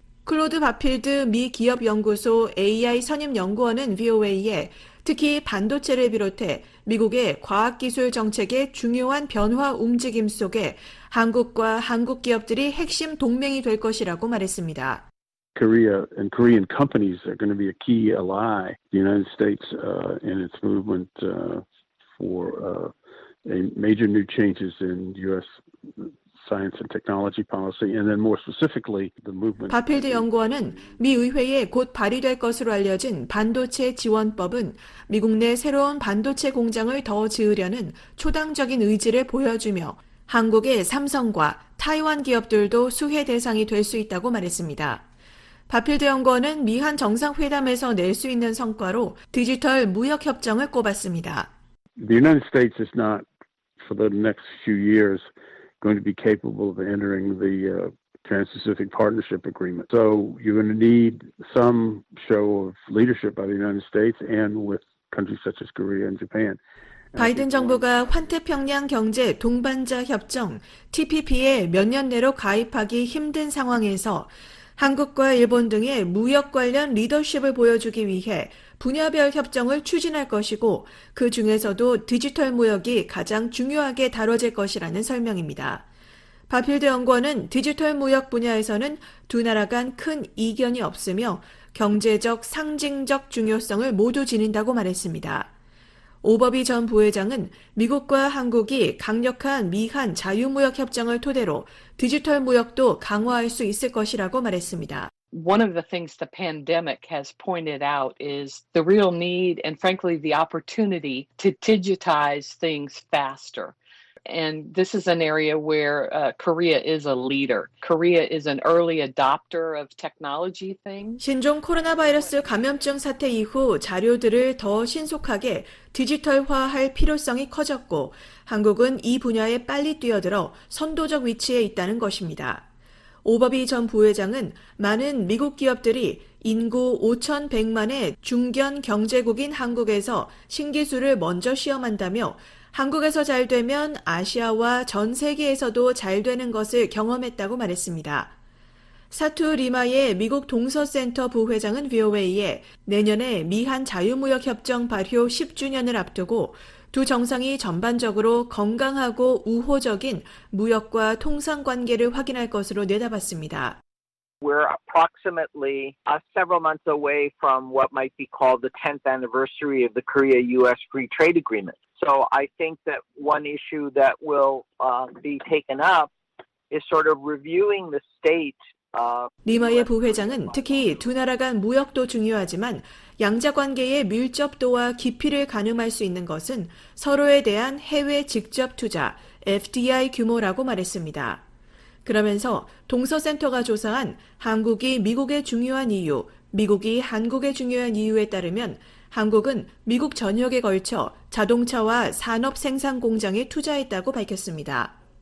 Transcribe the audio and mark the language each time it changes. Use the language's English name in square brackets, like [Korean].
[Korean] 클로드 바필드 미 기업 연구소 AI 선임 연구원은 VOA에 특히 반도체를 비롯해 미국의 과학기술 정책의 중요한 변화 움직임 속에 한국과 한국 기업들이 핵심 동맹이 될 것이라고 말했습니다. [English] Korea and Korean companies are going to be a key ally. The United States and its movement for a major new changes in U.S. science and technology policy, and then more specifically, the movement. [Korean] 바필드 연구원은 미 의회에 곧 발의될 것으로 알려진 반도체 지원법은 미국 내 새로운 반도체 공장을 더 지으려는 초당적인 의지를 보여주며 한국의 삼성과 타이완 기업들도 수혜 대상이 될 수 있다고 말했습니다. 바필드 연구원은 미한 정상회담에서 낼 수 있는 성과로 디지털 무역 협정을 꼽았습니다. [English] The United States is not for the next few years going to be capable of entering the Trans-Pacific Partnership Agreement. So you're going to need some show of leadership by the United States and with countries such as Korea and Japan. [Korean] 바이든 정부가 환태평양 경제 동반자 협정 TPP에 몇 년 내로 가입하기 힘든 상황에서 한국과 일본 등의 무역 관련 리더십을 보여주기 위해 분야별 협정을 추진할 것이고 그 중에서도 디지털 무역이 가장 중요하게 다뤄질 것이라는 설명입니다. 바필드 연구원은 디지털 무역 분야에서는 두 나라 간 큰 이견이 없으며 경제적 상징적 중요성을 모두 지닌다고 말했습니다. 오버비 전 부회장은 미국과 한국이 강력한 미한 자유무역협정을 토대로 디지털 무역도 강화할 수 있을 것이라고 말했습니다. [English] One of the things the pandemic has pointed out is the real need and frankly the opportunity to digitize things faster. And this is an area where Korea is a leader. Korea is an early adopter of technology things. [Korean] 신종 코로나 바이러스 감염증 사태 이후 자료들을 더 신속하게 디지털화할 필요성이 커졌고 한국은 이 분야에 빨리 뛰어들어 선도적 위치에 있다는 것입니다. 오버비 전 부회장은 많은 미국 기업들이 인구 5,100만의 중견 경제국인 한국에서 신기술을 먼저 시험한다며 한국에서 잘 되면 아시아와 전 세계에서도 잘 되는 것을 경험했다고 말했습니다. 사투 리마의 미국 동서센터 부회장은 VOA에 내년에 미한 자유무역협정 발효 10주년을 앞두고 두 정상이 전반적으로 건강하고 우호적인 무역과 통상관계를 확인할 것으로 내다봤습니다. [English] We're approximately several months away from what might be called the 10th anniversary of the Korea-U.S. Free Trade Agreement. So I think that one issue that will be taken up is sort of reviewing the state. [Korean] 리마의 부회장은 특히 두 나라 간 무역도 중요하지만 양자 관계의 밀접도와 깊이를 가늠할 수 있는 것은 서로에 대한 해외 직접 투자, FDI 규모라고 말했습니다. 그러면서 동서센터가 조사한 한국이 미국의 중요한 이유, 미국이 한국의 중요한 이유에 따르면 한국은 미국 전역에 걸쳐 자동차와 산업 생산 공장에 투자했다고 밝혔습니다.